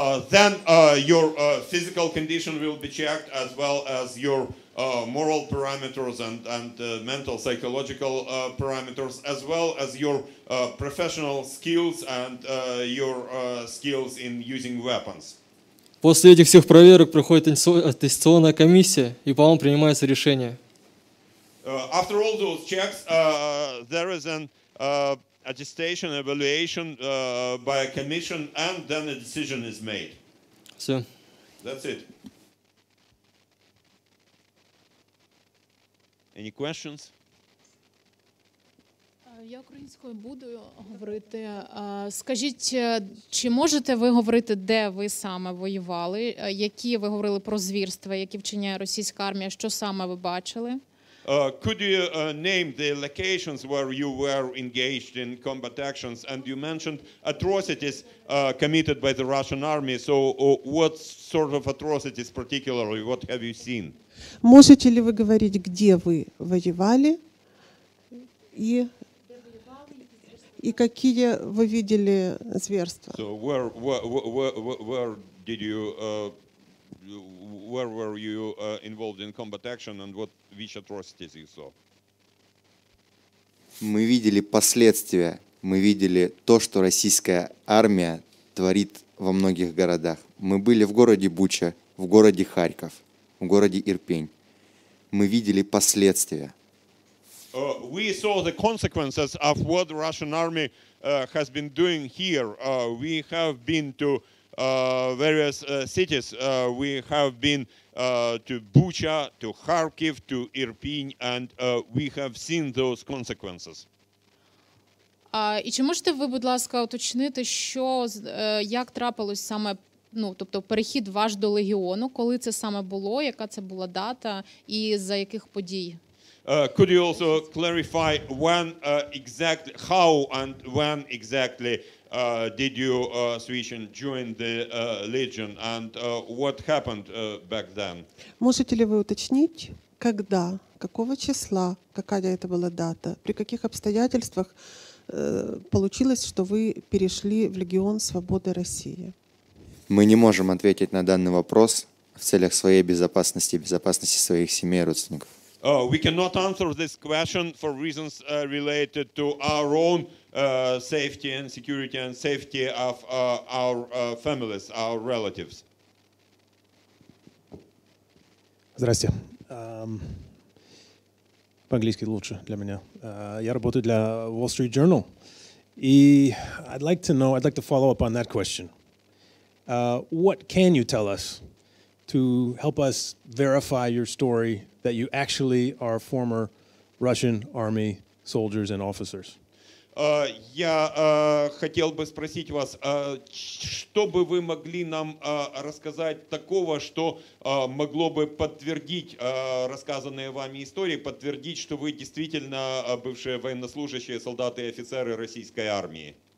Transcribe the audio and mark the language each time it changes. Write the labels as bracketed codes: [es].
[en] Then your physical condition will be checked, as well as your moral parameters and mental psychological parameters, as well as your professional skills and your skills in using weapons. [ru] После этих всех проверок проходит аттестационная комиссия, и по вам принимается решение. [en] After all those checks, there is an attestation, evaluation by a commission, and then a decision is made. [ru] Все. [en] That's it. Any questions? [uk] Я українською буду говорити. Скажіть, чи можете ви говорити, де ви саме воювали? Які ви говорили про звірства, які вчиняє російська армія? Що саме ви бачили? [en] Could you name the locations where you were engaged in combat actions? And you mentioned atrocities committed by the Russian army. So what sort of atrocities particularly? What have you seen? [ru] Можете ли вы говорить, где вы воевали? И какие вы видели зверства? [en] So where did you... Where were you involved in combat action and what which atrocities you saw? [ru] Мы видели последствия. Мы видели то, что российская армия творит во многих городах. Мы были в городе Буча, в городе Харьков, в городе Ирпень. Мы видели последствия. [en] We saw the consequences of what the Russian army has been doing here. We have been to various cities. We have been to Bucha, to Kharkiv, to Irpin, and we have seen those consequences. [uk] І чи можете ви, будь ласка, уточнити, що як трапилось саме, ну, тобто перехід ваш до легіону, коли це саме було, яка це була дата і за яких подій? [en] Could you also clarify when exactly, how and when exactly did you switch and join the legion, and what happened back then? [ru] Можете ли вы уточнить, когда, какого числа, какая это была дата, при каких обстоятельствах получилось, что вы перешли в легион Свободы России? Мы не можем ответить на данный вопрос в целях своей безопасности, безопасности своих семей и родственников. [en] We cannot answer this question for reasons related to our own safety and security and safety of our families, our relatives. [ru] Здрасте. По-английски лучше для меня. Я работаю для Wall Street Journal. [en] И I'd like to know, I'd like to follow up on that question. What can you tell us to help us verify your story that you actually are former Russian army soldiers and officers? [ru] Я хотел бы спросить вас, что бы вы могли нам рассказать такого, что могло бы подтвердить рассказанные вами истории, подтвердить, что вы действительно бывшие военнослужащие, солдаты и офицеры российской армии?